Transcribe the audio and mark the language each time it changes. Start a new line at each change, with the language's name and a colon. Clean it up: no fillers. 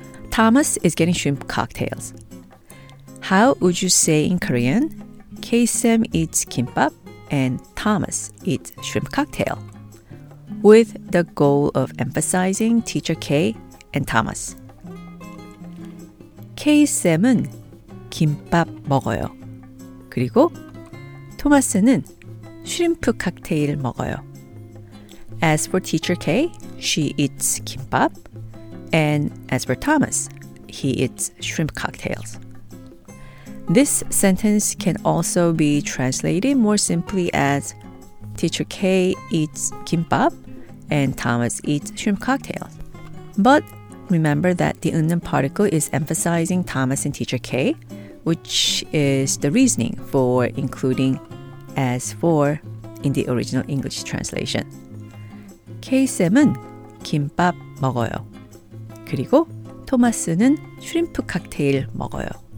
English: Thomas is getting shrimp cocktails. How would you say in Korean, K-Sam eats kimbap and Thomas eats shrimp cocktail? With the goal of emphasizing teacher K and Thomas.
Korean: K-Sam은 김밥 먹어요. 그리고 토마스는 슈림프 칵테일 먹어요.
English: As for teacher K, she eats kimbap. And as for Thomas, he eats shrimp cocktails. This sentence can also be translated more simply as teacher K eats kimbap and Thomas eats shrimp cocktails. But remember that the 은는 particle is emphasizing Thomas and teacher K, which is the reasoning for including as for in the original English translation.
Korean: K-쌤은 김밥 먹어요. 그리고 토마스는 슈림프 칵테일 먹어요.